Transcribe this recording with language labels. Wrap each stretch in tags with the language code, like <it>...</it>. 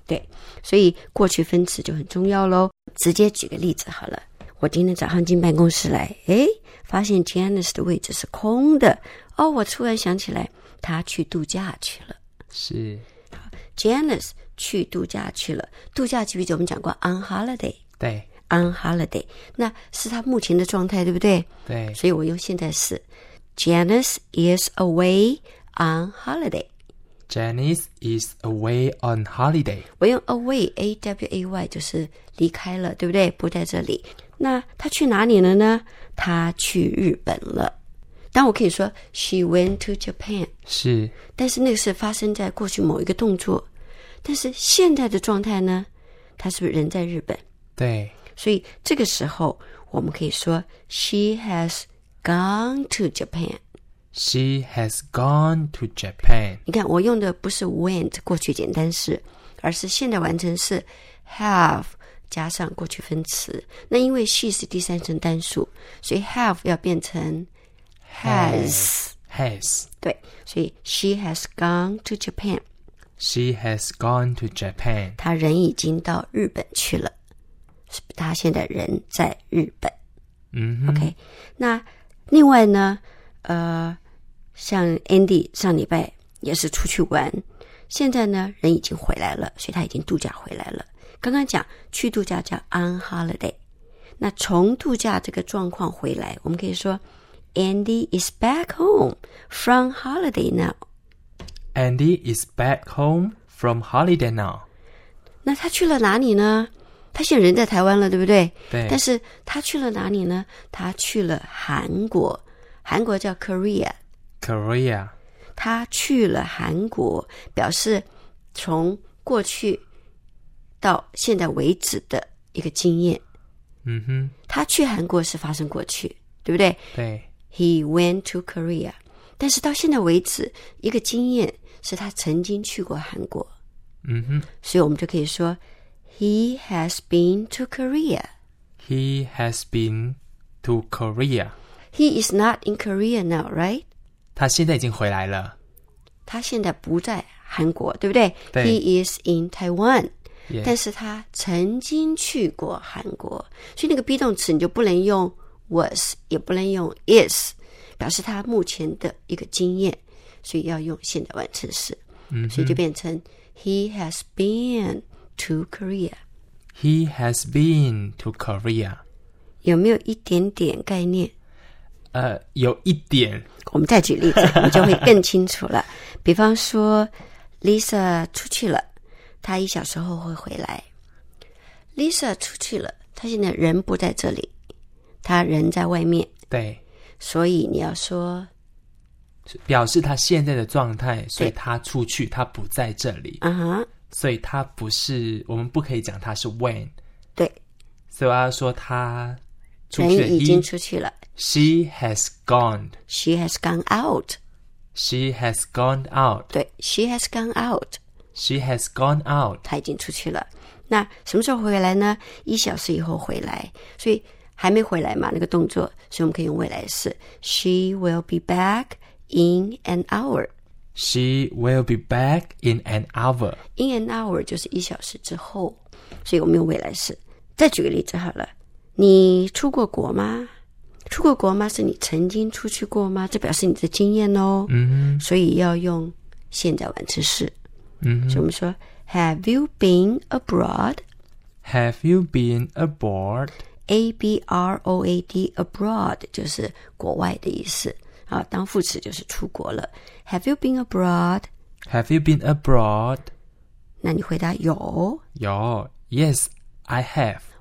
<zh>对，所以过去分词就很重要咯。直接举个例子好了，我今天早上进办公室来，诶，发现 Janice 的位置是空的。哦，我突然想起来，他去度假去了。是。 Janice 去度假去了。度假记不记得我们讲过</zh> <en>on holiday？</en> <zh>对。</zh> <en>on holiday，</en> <zh>那是他目前的状态，对不对？对。所以我用现在式</zh> <en>，Janice is away on holiday。 Janice is away on holiday。</en> <zh>我用 away a w a y 就是离开了，对不对？不在这里。那他去哪里了呢？他去日本了。但我可以说</zh> <en>she went to Japan，</en> <zh>是，但是那个是发生在过去某一个动作，但是现在的状态呢，她是不是人在日本？对，所以这个时候我们可以说</zh> <en>she has gone to Japan， she has gone to Japan。</en> <zh>你看我用的不是 went 过去简单式，而是现在完成是 have 加上过去分词，那因为 she 是第三人称单数，所以 have 要变成Has 对，所以</zh> <en>she has gone to Japan. She has gone to Japan.</en> <zh>她人已经到日本去了，她现在人在日本。嗯，OK。那另外呢，像 Andy 上礼拜也是出去玩，现在呢人已经回来了，所以他已经度假回来了。刚刚讲去度假叫</zh> <en>on holiday，</en> <zh>那从度假这个状况回来，我们可以说。</zh> <en>Andy is back home from holiday now. Andy is back home from holiday now.</en> <zh>那他去了哪里呢？他现在人在台湾了，对不对？对。但是他去了哪里呢？他去了韩国。韩国叫 Korea。</zh> <en>Korea。</en> <zh>他去了韩国，表示从过去到现在为止的一个经验。嗯哼。他去韩国是发生过去，对不对？对。</zh> <en>He went to Korea，</en> <zh>但是到现在为止，一个经验是他曾经去过韩国。嗯哼，所以我们就可以说</zh> <en>，He has been to Korea。 He has been to Korea。 He is not in Korea now, right？</en> <zh>他现在已经回来了。他现在不在韩国，对不对？对。</zh> <en>He is in Taiwan。 Yeah。</en> <zh>但是他曾经去过韩国，所以那个 be 动词你就不能用。 Was 也不能用 is， 表示他目前的一个经验，所以要用现在完成式。嗯，所以就变成</zh> <en>He has been to Korea。 He has been to Korea。</en> <zh>有没有一点点概念？有一点。我们再举例子，你就会更清楚了。比方说 ，Lisa 出去了，她一小时后会回来。Lisa 出去了，她现在人不在这里，她人在外面。对，所以你要说表示她现在的状态，所以她出去，她不在这里。嗯哼、uh-huh、所以她不是，我们不可以讲她是 when。对，所以我要说她出去，人已经出去了。</zh> <en>She has gone. She has gone out. She has gone out.</en> <zh>对，</zh> <en>she has gone out. She has gone out.</en> <zh>她已经出去了。那什么时候回来呢？一小时以后回来。所以还没回来嘛，那个动作，所以我们可以用未来式。</zh> <en>She will be back in an hour. She will be back in an hour. In an hour</en> <zh>就是一小时之后，所以我们用未来式。再举个例子好了，你出过国吗？出过国吗？是你曾经出去过吗？这表示你的经验哦。嗯，所以要用现在完成式。嗯，所以我们说</zh> <en>，Have you been abroad? Have you been abroad?</en> <zh>A B R O A D abroad 就是国外的意思啊，当副词就是出国了。</zh> <en>Have you been abroad? Have you been abroad?</en> <zh>那你回答有。有</zh> <en>，Yes, I have。</en>